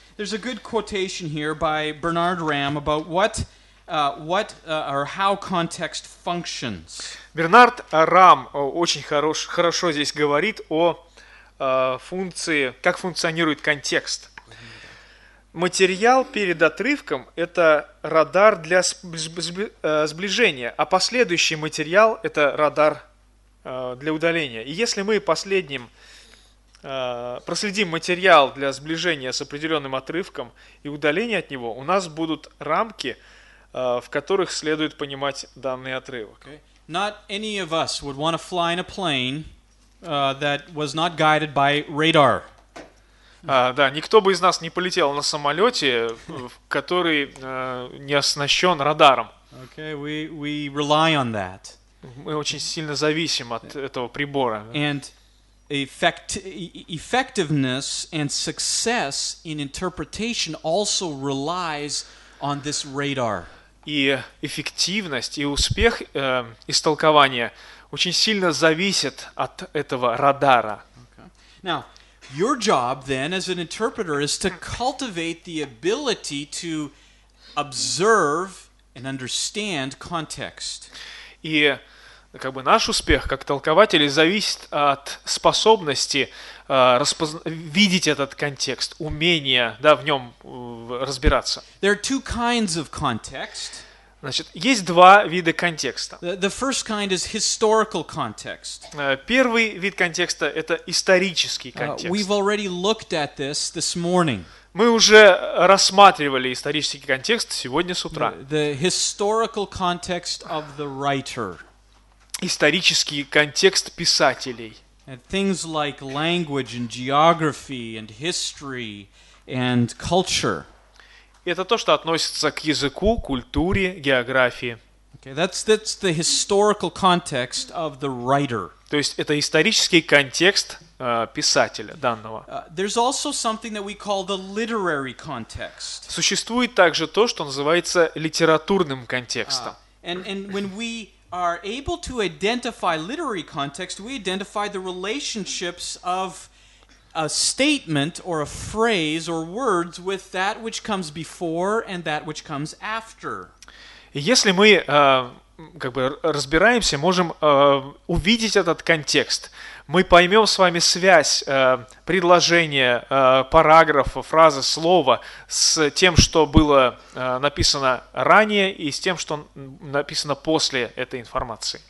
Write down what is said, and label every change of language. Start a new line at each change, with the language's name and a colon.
English: There's a good quotation here by Bernard Ram about what or how context functions.
Russian: Бернард Рам очень хорошо здесь говорит о функции, как функционирует контекст. Материал перед отрывком – это радар для сближения, а последующий материал – это радар для удаления. И если мы последним проследим материал для сближения с определенным отрывком и удаления от него, у нас будут рамки, в которых следует понимать данный отрывок.
English: Okay. Not any of us would want to fly in a plane that was not guided by radar.
Russian: Да, никто бы из нас не полетел на самолете, который не оснащен радаром.
English: Okay, we rely on that.
Russian: Мы очень сильно зависим от этого прибора.
English: And effectiveness and success in interpretation also relies on this radar.
Russian: И эффективность и успех истолкования очень сильно зависят от этого радара.
English: Okay. Now, your job then as an interpreter is to cultivate the ability to observe and understand context.
Russian: И как бы наш успех как толкователей зависит от способности видеть этот контекст, умения, да, в нем разбираться.
English: There are two kinds of context.
Russian: Значит, есть два вида контекста.
English: The first kind is historical context.
Russian: Первый вид контекста – это исторический контекст.
English: We've already looked at this morning.
Russian: Мы уже рассматривали исторический контекст сегодня с утра.
English: The historical context of the writer.
Russian: Исторический контекст писателей.
English: And things like language and geography and history and culture.
Russian: Это то, что относится к языку, культуре, географии.
English: Okay, that's the historical context of the writer.
Russian: То есть это исторический контекст писателя данного.
English: There's also something that we call the literary context.
Russian: Существует также то, что называется литературным контекстом.
English: And when we are able to identify literary context, we identify the relationships of a statement or a phrase or words with that which comes before and that which comes after.
Russian: Если мы как бы разбираемся, можем увидеть этот контекст. Мы поймем с вами связь предложения, параграфа, фразы, слова с тем, что было написано ранее и с тем, что написано после этой информации.